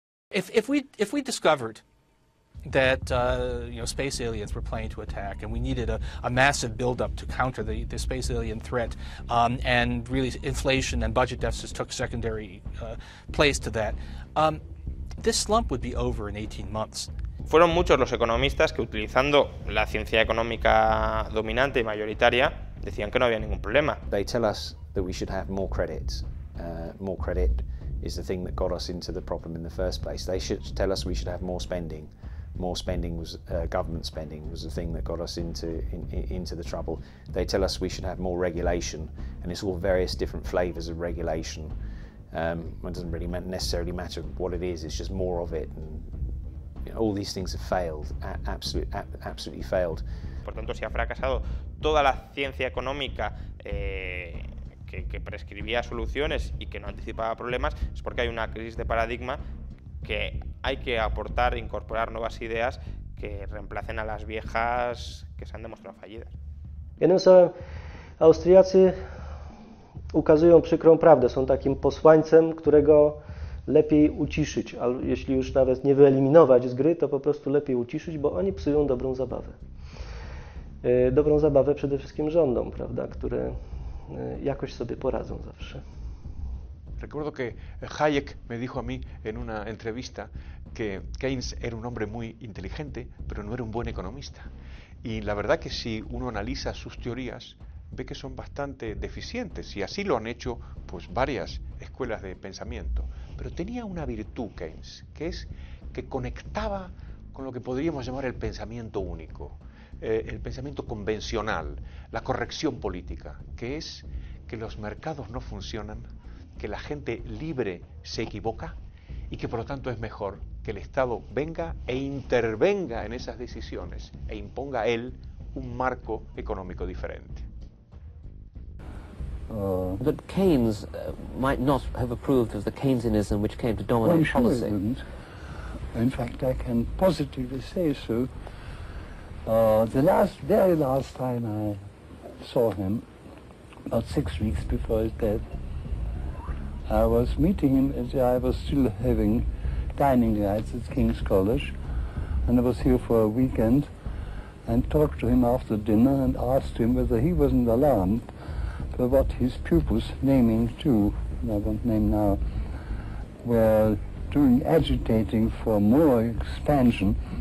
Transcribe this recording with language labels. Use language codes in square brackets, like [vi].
[en] If we discovered that space aliens were planning to attack, and we needed a massive buildup to counter the space alien threat. And really, inflation and budget deficits took secondary place to that. This slump would be over in 18 months. [es] Fueron muchos los economistas que, utilizando la ciencia económica dominante y mayoritaria, decían que no había ningún problema. [en] They tell us that we should have more credit. More credit is the thing that got us into the problem in the first place. They should tell us we should have more spending. More spending was government spending was the thing that got us into the trouble. They tell us we should have more regulation, and it's all various different flavors of regulation. It doesn't really necessarily matter what it is. It's just more of it, and you know, all these things have failed. Absolutely failed. [es] Por tanto, si ha fracasado toda la ciencia económica que prescribía soluciones y que no anticipaba problemas, es porque hay una crisis de paradigma que hay que aportar e incorporar nuevas ideas que reemplacen a las viejas que se han demostrado fallidas. [pl] Jednym słowem, Austriacy ukazują przykrą prawdę. Są takim posłańcem, którego lepiej uciszyć, a jeśli już nawet nie wyeliminować z gry, to po prostu lepiej uciszyć, bo oni psują dobrą zabawę. Dobrą zabawę przede wszystkim rządom, prawda, które jakoś sobie poradzą zawsze. [es] Recuerdo que Hayek me dijo a mí en una entrevista que Keynes era un hombre muy inteligente, pero no era un buen economista. Y la verdad que si uno analiza sus teorías, ve que son bastante deficientes, y así lo han hecho pues varias escuelas de pensamiento. Pero tenía una virtud Keynes, que es que conectaba con lo que podríamos llamar el pensamiento único. El pensamiento convencional, la corrección política, que es que los mercados no funcionan, que la gente libre se equivoca y que por lo tanto es mejor que el Estado venga e intervenga en esas decisiones e imponga a él un marco económico diferente. [en] But Keynes might not have approved of the Keynesianism which came to dominate policy. Well, sure, in fact, I can positively say so. The very last time I saw him, about 6 weeks before his death, I was meeting him as I was still having dining rights at King's College, and I was here for a weekend, and talked to him after dinner and asked him whether he wasn't alarmed for what his pupils, naming two, I won't name now, were doing, agitating for more expansion.